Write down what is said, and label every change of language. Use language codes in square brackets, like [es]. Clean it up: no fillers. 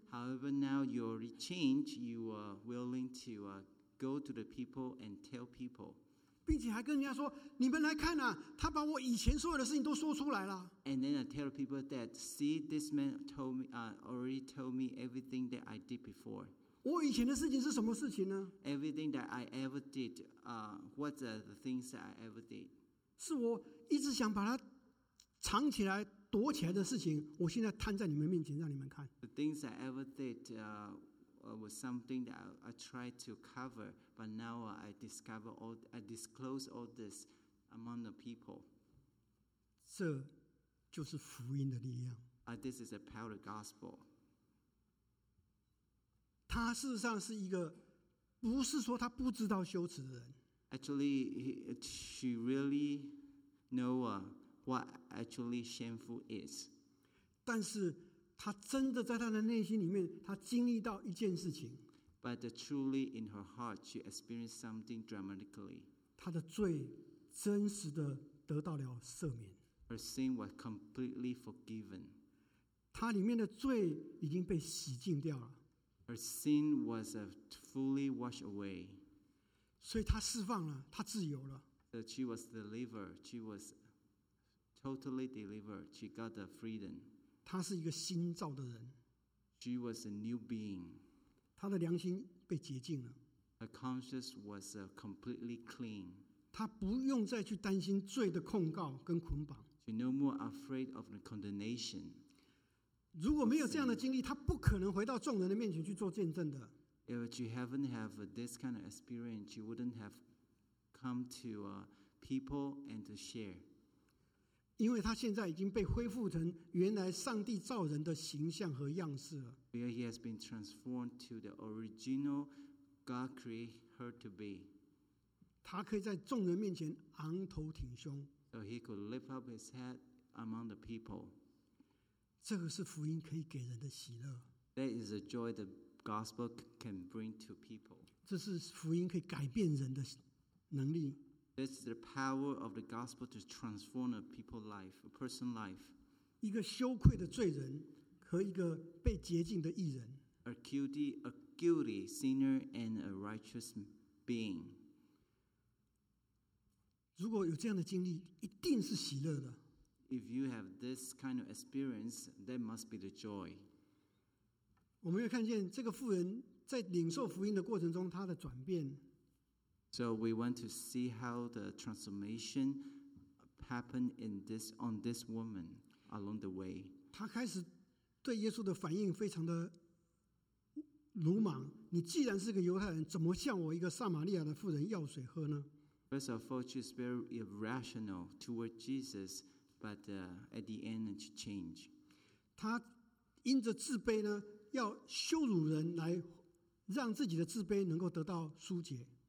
[en] However, now you're changed. You are willing to go to the people and tell people. [zh] 并且还跟人家说，你们来看啊，他把我以前所有的事情都说出来了。 [en] And then I tell people that, see, this man told me, already told me everything that I did before. [zh] 我以前的事情是什么事情呢？ [en] Everything that I ever did, what are the things that I ever did? [zh] 是我一直想把它藏起来、躲起来的事情，我现在摊在你们面前让你们看。 [en] The things I ever did, was something that I tried to cover, but now I disclose all this among the people. [zh] 这就是福音的力量。 [en] This is the power of the gospel. [zh] 他事实上是一个不是说他不知道羞耻的人。 [en] Actually, she really know what actually shameful is. [zh] 但是他真的在他的内心里面，他经历到一件事情。 [en] But truly in her heart, she experienced something dramatically. [zh] 他的罪真实的得到了赦免。 [en] Her sin was completely forgiven. [zh] 他里面的罪已经被洗净掉了。 [en] Her sin was fully washed away. [zh] 所以他释放了，他自由了。 [en] She was delivered. She was totally delivered. She got the freedom. [zh] 他是一个新造的人。 [en] She was a new being. [zh] 他的良心被洁净了。 [en] Her conscience was completely clean. [zh] 他不用再去担心罪的控告跟捆绑。 [en] She no more afraid of the condemnation. [zh] 如果没有这样的经历，他不可能回到众人的面前去做见证的。 [en] If you haven't had this kind of experience, you wouldn't have come to people and to share. [zh] 因为他现在已经被恢复成原来上帝造人的形象和样式了。 [en] He has been transformed to the original God created her to be. [zh] 他可以在众人面前昂头挺胸。 [en] So he could lift up his head among the people. [zh] 这个是福音可以给人的喜乐。 [en] That is a joy the gospel can bring to people. [zh] 这是福音可以改变人的能力。 [en] This is the power of the gospel to transform a people's life, a person's life. [zh] 一个羞愧的罪人和一个被洁净的义人。 [en] A guilty sinner and a righteous being. [zh] 如果有这样的经历，一定是喜乐的。 [en] If you have this kind of experience, that must be the joy. [zh] 我们要看见这个妇人在领受福音的过程中，她的转变。 [en] So we want to see how the transformation happened on this woman along the way. [zh] 她开始对耶稣的反应非常的鲁莽。你既然是个犹太人，怎么向我一个撒玛利亚的妇人要水喝呢？ [en] First of all, she's very irrational toward Jesus, but at the end she changed. [zh] 她因着自卑呢，要羞辱人来让自己的自卑能够得到纾解。